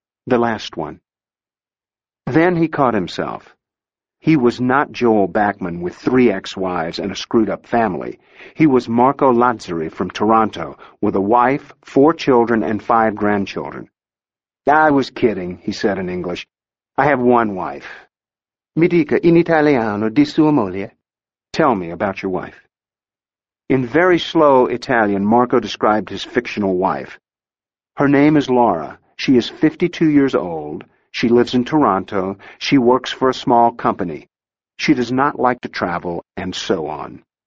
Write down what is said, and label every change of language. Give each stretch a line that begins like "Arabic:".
English: The last one. Then he caught himself. He was not Joel Backman with three ex-wives and a screwed-up family. He was Marco Lazzari from Toronto, with a wife, four children, and five grandchildren. I was kidding, he said in English. I have one wife.
Italian: Mi dica in italiano di sua moglie.
English: Tell me about your wife. In very slow Italian, Marco described his fictional wife. Her name is Laura. She is 52 years old. She lives in Toronto. She works for a small company. She does not like to travel, and so on.